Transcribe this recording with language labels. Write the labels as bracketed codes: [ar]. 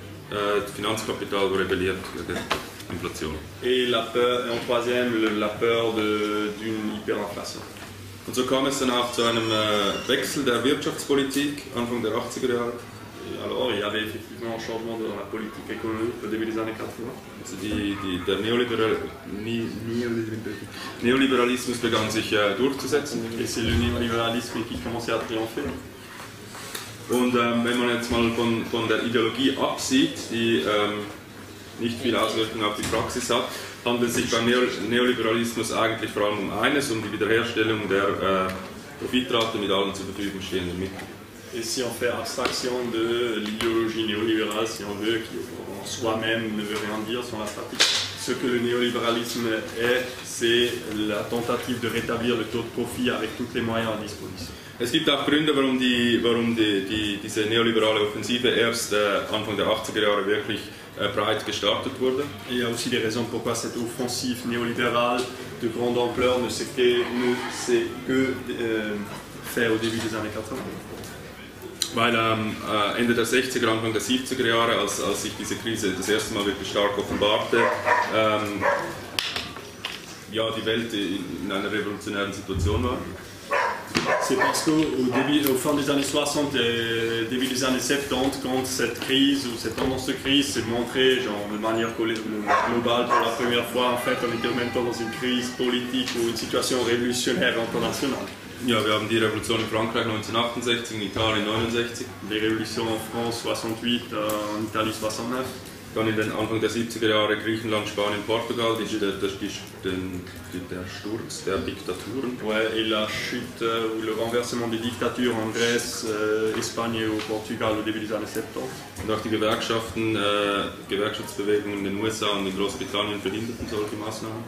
[de] Das Finanzkapital rebelliert gegen Inflation. [fr] Et la peur, en troisième, la peur d'une hyperinflation. [de] Und so kam es dann auch zu einem Wechsel der Wirtschaftspolitik Anfang der 80er Jahre. [fr] Alors, il y avait effectivement un changement dans la politique économique au début des années 80. [de] Der Neoliberalismus begann sich durchzusetzen. [fr] Et c'est le néolibéralisme qui commençait à triompher. [de] Und wenn man jetzt mal von der Ideologie absieht, die nicht viel Auswirkung auf die Praxis hat, handelt es sich beim Neoliberalismus eigentlich vor allem um eines, um die Wiederherstellung der Profitrate mit allen zur Verfügung stehenden Mitteln. [fr] Et si on fait abstraction de l'idéologie néolibérale, si on veut, qui en soi-même ne veut rien dire sur la stratégie. ce que le néolibéralisme est, c'est la tentative de rétablir le taux de profit avec tous les moyens à disposition. [de] Es gibt auch Gründe, warum diese neoliberale Offensive erst Anfang der 80er Jahre wirklich breit gestartet wurde. [fr] Il y a aussi des raisons pourquoi cette offensive néolibérale de grande ampleur ne s'est que fait au début des années 80. [de] Weil Ende der 60er, Anfang der 70er Jahre, als sich diese Krise das erste Mal wirklich stark offenbarte, die Welt in einer revolutionären Situation war. [fr] C'est parce qu'au fin des années 60 et début des années 70, quand cette crise ou cette tendance de crise s'est montrée genre, de manière globale pour la première fois, en fait, on était en même temps dans une crise politique ou une situation révolutionnaire internationale. [de] Ja, wir haben die Revolution in Frankreich 1968, in Italien 69. [fr] Les révolutions en France 68, en Italie 69. [de] Dann in den Anfang der 70er Jahre Griechenland, Spanien, Portugal, der Sturz der Diktaturen. [fr] Ouais, et la chute ou le renversement des dictatures en Grèce, Espagne et au Portugal au début des années 70. [de] Und auch die Gewerkschaften, Gewerkschaftsbewegungen in den USA und in Großbritannien verhinderten solche Maßnahmen.